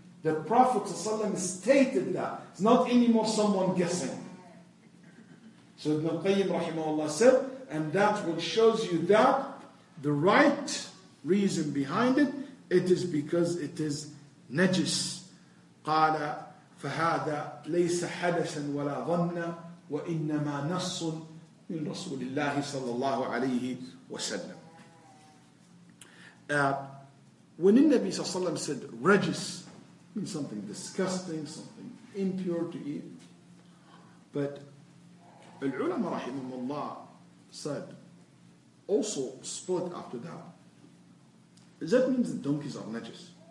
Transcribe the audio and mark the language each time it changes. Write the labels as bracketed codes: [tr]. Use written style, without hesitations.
[en] The Prophet stated that. It's not anymore someone guessing. So Ibn Qayyim rahimahullah said, and that's what shows you that the right reason behind it, it is because it is najis. [ar] قال فهذا ليس حدثا ولا ظن وإنما نص من رسول الله صلى الله عليه وسلم. [en] When the Prophet said رجس, means something disgusting, something impure to eat. But al-ulama rahimahumullah said, also split after that, that means the donkeys are najis.